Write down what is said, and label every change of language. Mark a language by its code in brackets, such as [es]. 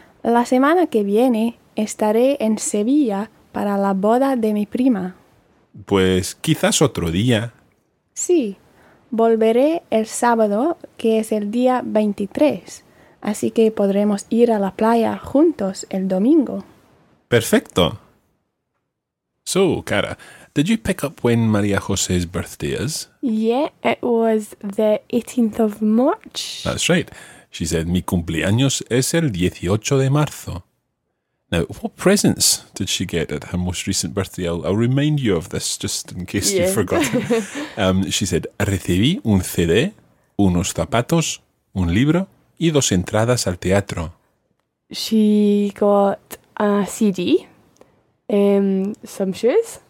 [es] La semana que viene estaré en Sevilla para la boda de mi prima. Pues quizás otro día. Sí, volveré el sábado, que es el día 23. Así que podremos ir a la playa juntos el domingo. Perfecto. [en] So, Cara, did you pick up when María José's birthday is? Yeah, it was the 18th of March. That's right. She said, [es] mi cumpleaños es el 18 de marzo. [en] Now, what presents did she get at her most recent birthday? I'll remind you of this just in case you've forgotten. She said, [es] recibí un CD, unos zapatos, un libro y dos entradas al teatro. [en] She got a CD, some shoes.